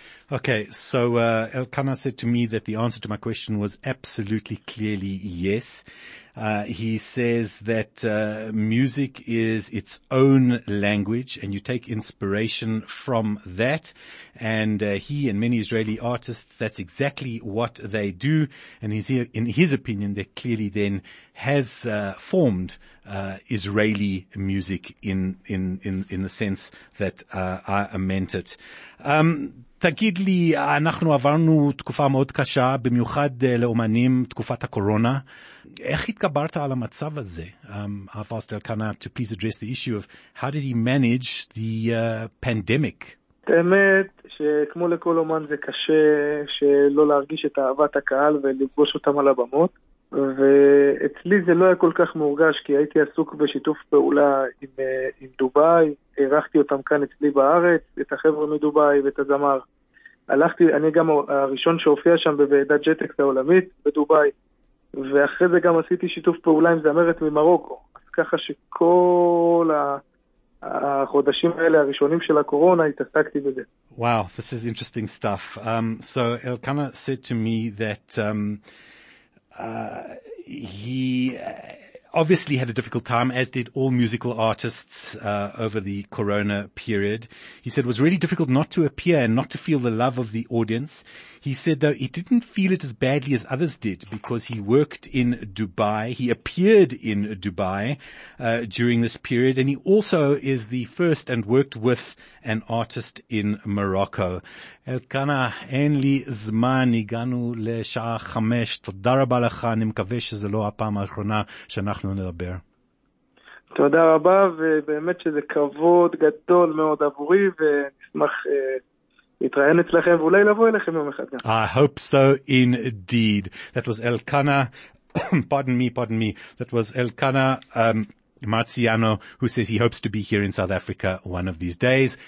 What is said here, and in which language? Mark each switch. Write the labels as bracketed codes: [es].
[en] Okay, so Elkana said to me that the answer to my question was absolutely clearly yes. He says that music is its own language, and you take inspiration from that. And he and many Israeli artists, that's exactly what they do. And he's here, in his opinion, that clearly then has formed Israeli music in the sense that I meant it. [he] תגיד לי, אנחנו עברנו תקופה מאוד קשה, במיוחד לאומנים, תקופת הקורונה. איך התגברת על המצב הזה? [en] I've asked Elkanah to please address the issue of how did he manage the pandemic? [he] האמת שכמו לכל אומן זה קשה שלא להרגיש את אהבת הקהל ולפגוש אותם על הבמות. ואצלי זה לא היה כל כך מורגש, כי הייתי עסוק בשיתוף פעולה עם דובאי, הרחתי אותם כאן אצלי בארץ, את החבר'ה מדובאי ואת הזמר. הלכתי, אני גם הראשון שהופיע שם בוועדת ג'טקס העולמית בדובאי, ואחרי זה גם עשיתי שיתוף פעולה עם זמרת ממרוקו. אז ככה שכל החודשים האלה הראשונים של הקורונה התעסקתי בזה. [en] Wow, this is interesting stuff. So Elkanah said to me that he obviously had a difficult time, as did all musical artists over the corona period. He said it was really difficult not to appear and not to feel the love of the audience. He said, though, he didn't feel it as badly as others did because he worked in Dubai. He appeared in Dubai during this period, and he also is the first and worked with an artist in Morocco. [he] Elkanah, אין לי זמן, הגענו לשעה חמש. תודה רבה לך, אני מקווה שזה לא הפעם האחרונה שאנחנו נדבר. תודה רבה, ובאמת שזה כבוד גדול מאוד עבורי, ונשמח להתראיין אצלכם, ואולי לבוא אליכם יום אחד. [en] I hope so indeed. That was Elkanah, pardon me, that was Elkanah Marciano, who says he hopes to be here in South Africa one of these days.